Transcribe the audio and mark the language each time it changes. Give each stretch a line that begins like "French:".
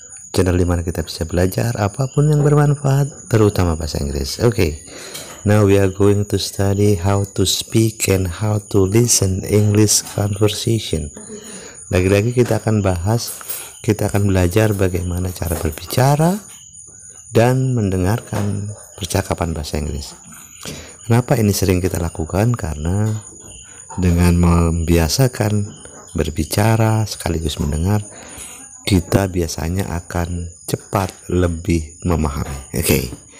Indonesian: Channel di mana kita bisa belajar apapun yang bermanfaat, terutama bahasa Inggris. Okay.
English: Now we are going to study how to speak and how to listen English conversation.
Indonesian: Lagi-lagi kita akan belajar bagaimana cara berbicara dan mendengarkan percakapan bahasa Inggris. Kenapa ini sering kita lakukan? Karena dengan membiasakan berbicara sekaligus mendengar, kita biasanya akan cepat lebih memahami. Okay.